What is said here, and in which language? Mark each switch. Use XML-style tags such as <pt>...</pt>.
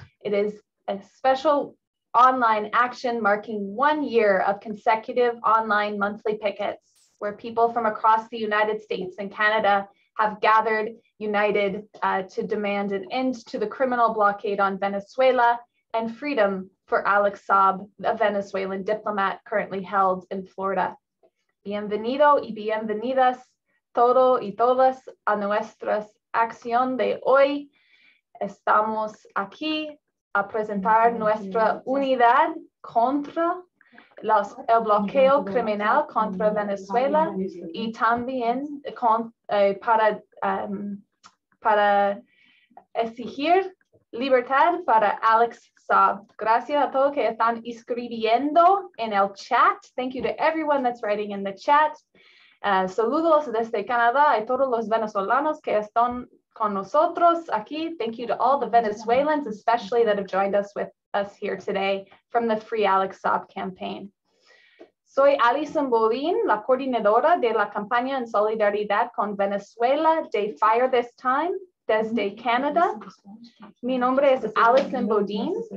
<en>It is a special online action marking 1 year of consecutive online monthly pickets where people from across the United States and Canada have gathered, united to demand an end to the criminal blockade on Venezuela and freedom for Alex Saab, a Venezuelan diplomat currently held in Florida.</en> <es>Bienvenido y bienvenidas todo y todas a nuestra acción de hoy. Estamos aquí a presentar nuestra unidad contra los, el bloqueo criminal contra Venezuela y también con, para exigir libertad para Alex Saab. Gracias a todos que están escribiendo en el chat.</es> <en>Thank you to everyone that's writing in the chat.</en> <es>Saludos desde Canadá y todos los venezolanos que están con nosotros aquí.</es> <en>Thank you to all the Venezuelans, especially that have joined us with us here today from the Free Alex Saab campaign.</en> <es>Soy Alison Bodine, la coordinadora de la campaña en solidaridad con Venezuela de Fire This Time. Desde Canada. Mi nombre es Alison Bodine.</es>